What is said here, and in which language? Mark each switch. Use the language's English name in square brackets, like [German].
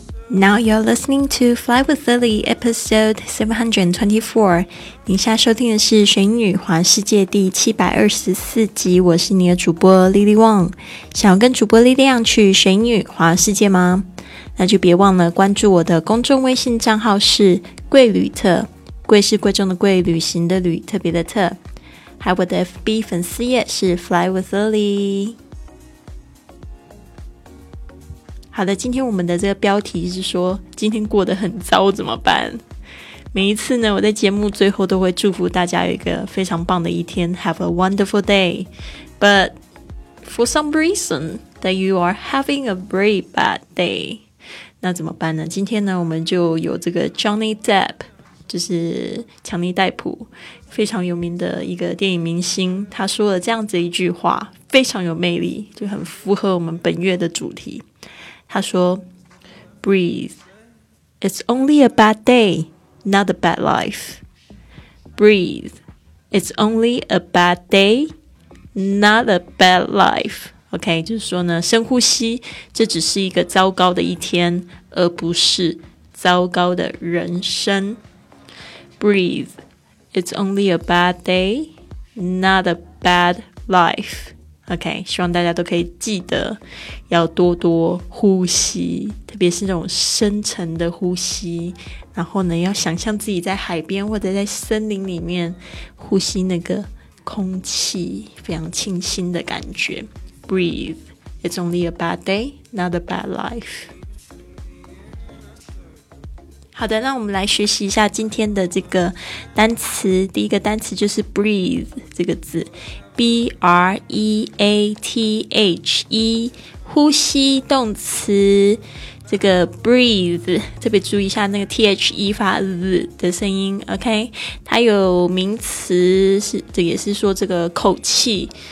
[English] Now you're listening to Fly with Lily, episode 724. [Chinese] 您现在收听的是《玄女环世界》第724集。我是你的主播 Lily Wang。想要跟主播力量去《玄女环世界》吗？那就别忘了关注我的公众微信账号是“贵旅特”，贵是贵重的贵，旅行的旅，特别的特。还有我的 FB 粉丝页是 Fly with Lily。好的，今天我们的这个标题是说今天过得很糟怎么办。每一次呢，我在节目最后都会祝福大家有一个非常棒的一天， [English] Have a wonderful day. But for some reason that you are having a very bad day. [Chinese] 那怎么办呢？今天呢，我们就有这个 Johnny Depp， 就是强尼戴普，非常有名的一个电影明星，他说了这样子一句话，非常有魅力，就很符合我们本月的主题。他说 [English] Breathe. It's only a bad day, not a bad life. Breathe. It's only a bad day, not a bad life. [Chinese] OK, 就是说呢，深呼吸，这只是一个糟糕的一天，而不是糟糕的人生。 [English] Breathe. It's only a bad day, not a bad life. [Chinese] OK, 希望大家都可以记得要多多呼吸，特别是那种深沉的呼吸，然后呢要想象自己在海边或者在森林里面呼吸那个空气，非常清新的感觉。 [English] Breathe. It's only a bad day, not a bad life. [Chinese] 好的，那我们来学习一下今天的这个单词。第一个单词就是 breathe 这个字，B-R-E-A-T-H-E， 呼吸动词，这个 breathe， 特别注意一下那个 T-H-E 发 Z 的声音， OK， 它有名词，是这也是说这个口气